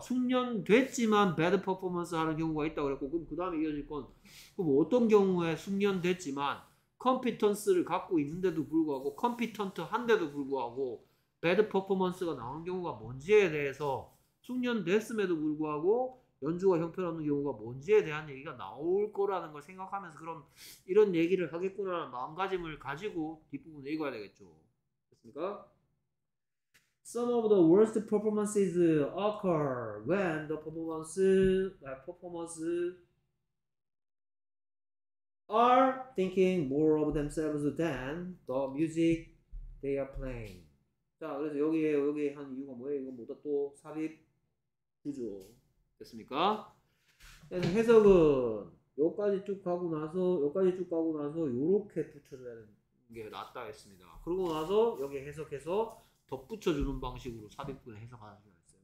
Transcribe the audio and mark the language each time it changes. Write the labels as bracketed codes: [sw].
[ko] 숙련됐지만 bad performance 하는 경우가 있다고 그랬고 그럼 그 다음에 이어질 건 그럼 어떤 경우에 숙련됐지만 competence를 갖고 있는데도 불구하고 competent 한데도 불구하고 배드 퍼포먼스가 나온 경우가 뭔지에 대해서 숙련됐음에도 불구하고 연주가 형편없는 경우가 뭔지에 대한 얘기가 나올 거라는 걸 생각하면서 그럼 이런 얘기를 하겠구나라는 마음가짐을 가지고 뒷부분을 읽어야 되겠죠. 됐습니까? [en] Some of the worst performances occur when the performance are thinking more of themselves than the music they are playing. [ko] 자, 그래서 여기에 한 이유가 뭐예요? 이건 뭐다 또 삽입 구조 됐습니까? 해석은 여기까지 쭉 가고 나서 여기까지 쭉 가고 나서 이렇게 붙여줘야 되는 게 낫다 했습니다. 그러고 나서 여기 해석해서 덧붙여주는 방식으로 삽입분을 해석하는 게 있어요.